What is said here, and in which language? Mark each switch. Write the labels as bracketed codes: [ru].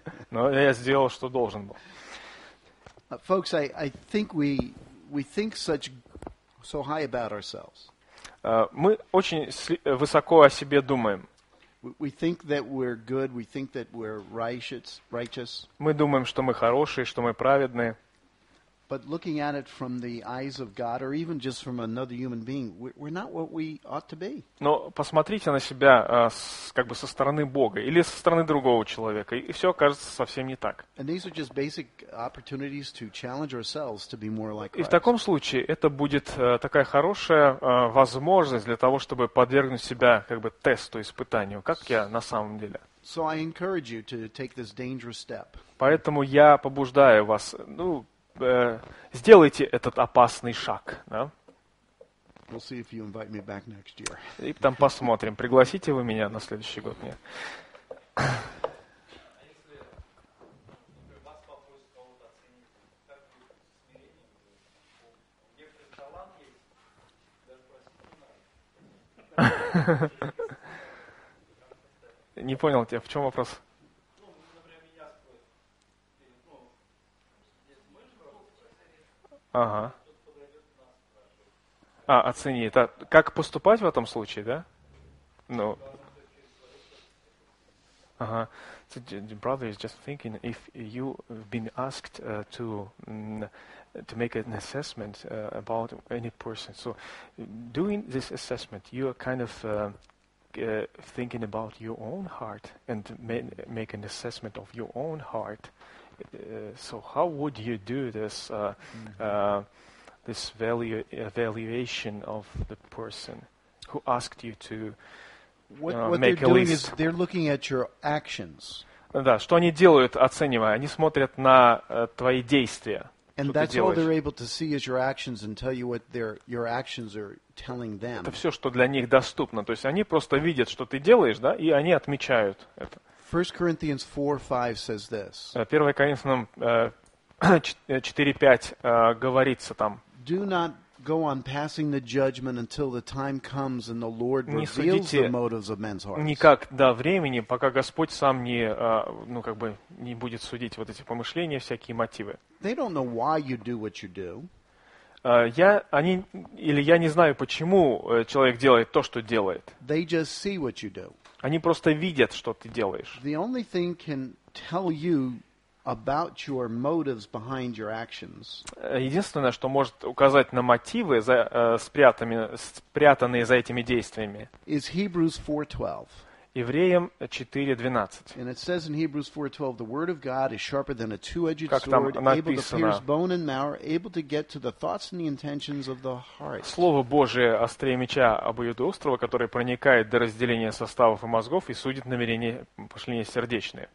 [ru] Но я сделал, что должен был. [en] Folks, I think we think such so high about ourselves. [ru] Мы очень высоко о себе думаем. [en] We think that we're good. We think that we're righteous. [ru] Мы думаем, что мы хорошие, что мы праведные. [en] But looking at it from the eyes of God, or even just from another human being, we're not what we ought to be. [ru] Но посмотрите на себя как бы со стороны Бога или со стороны другого человека, и все окажется совсем не так. [en] And these are just basic opportunities to challenge ourselves to be more like Christ. [ru] И в таком случае это будет такая хорошая возможность для того, чтобы подвергнуть себя как бы тесту, испытанию, как я на самом деле. [en] So I encourage you to take this dangerous step. [ru] Поэтому я побуждаю вас, ну, сделайте этот опасный шаг. Да? [en] We'll see if you invite me back next year. [ru] И там посмотрим, пригласите вы меня на следующий год. Нет. Не понял тебя, в чем вопрос? Ага. А, оцени. Это как поступать в этом случае, да? Ну. Ага. [en] So the brother is just thinking if you've been asked to make an assessment about any person. So doing this assessment, you are kind of thinking about your own heart and make an assessment of your own heart. So how would you do this this evaluation of the person who asked you to make a list? What they're doing is they're looking at your actions. [ru] Да, что они делают, оценивая? Они смотрят на твои действия. [en] And that's all they're able to see is your actions and tell you what your actions are telling them. [ru] Это все, что для них доступно. То есть они просто видят, что ты делаешь, да, и они отмечают это. [en] 1 Corinthians 4:5 says this. [ru] 1 Коринфянам 4:5 говорится там. [en] Do not go on passing the judgment until the time comes and the Lord reveals the motives of men's hearts. [ru] Никак до времени, пока Господь сам не, ну как бы, не будет судить вот эти помышления, всякие мотивы. [en] They don't know why you do what you do. [ru] Я не знаю, почему человек делает то, что делает. [en] They just see what you do. [ru] Они просто видят, что ты делаешь. [en] The only thing can tell you about your motives behind your actions. [ru] Единственное, что может указать на мотивы, спрятанные за этими действиями, [en] is Hebrews 4:12. [ru] Евреям 4:12. [en] And it says in Hebrews 4:12, the word of God is sharper than a two-edged sword, able to pierce bone and marrow, able to get to the thoughts and the intentions of the heart. [ru] Слово Божие острее меча обоюдоострого, которое проникает до разделения составов и мозгов и судит намерения, помышления сердечные.